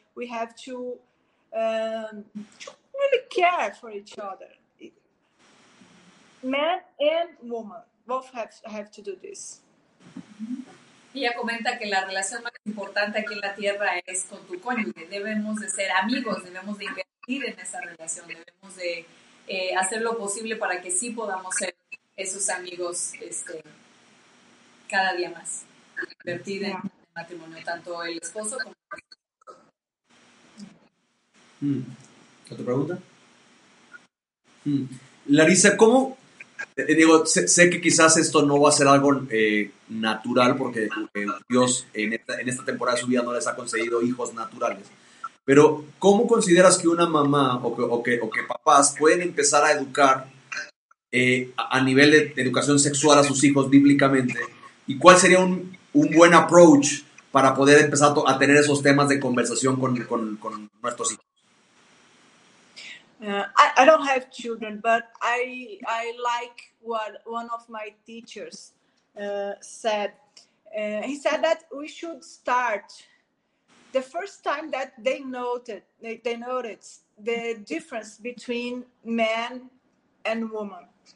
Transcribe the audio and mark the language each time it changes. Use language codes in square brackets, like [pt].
[en] We have to really care for each other. Man and woman both have to do this. [es] Ella comenta que la relación más importante aquí en la tierra es con tu cónyuge. Debemos de ser amigos. Debemos de invertir en esa relación. Debemos de hacer lo posible para que sí podamos ser esos amigos cada día más invertir en el matrimonio, tanto el esposo como el esposo. a tu pregunta. Larisa, ¿cómo? Digo, sé que quizás esto no va a ser algo natural, porque Dios en esta temporada de su vida no les ha concedido hijos naturales. Pero, ¿cómo consideras que una mamá o que papás pueden empezar a educar a nivel de educación sexual a sus hijos bíblicamente? ¿Y cuál sería un buen approach para poder empezar a tener esos temas de conversación con nuestros hijos? [en] I don't have children, but I like what one of my teachers said. He said that we should start the first time that they noticed the difference between man and woman.